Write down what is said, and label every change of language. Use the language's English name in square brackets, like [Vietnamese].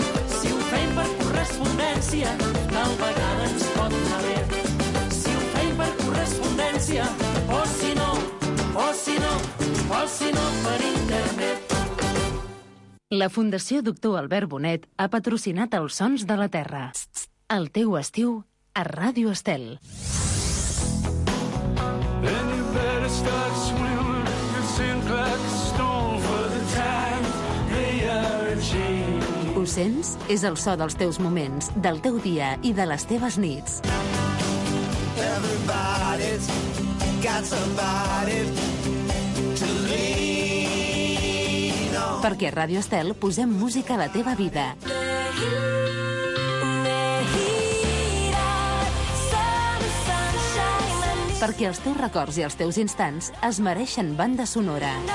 [Catalan] Si ho fem per correspondència, tal vegada ens pot anar bé. Si ho fem per correspondència, o si no, o si no, o si no per internet. La Fundació Doctor Albert Bonet ha patrocinat els Sons de la Terra. El teu estiu a Ràdio Estel. [English] Then you better start swimming, you'll sink like a stone for the time they are achieved. [Catalan] Ho sents? És el so dels teus moments, del teu dia i de les teves nits. [English] Everybody's got somebody to lean on. [Catalan] Perquè a Ràdio Estel posem música a la teva vida. Perquè els teus records i els teus instants es mereixen banda sonora.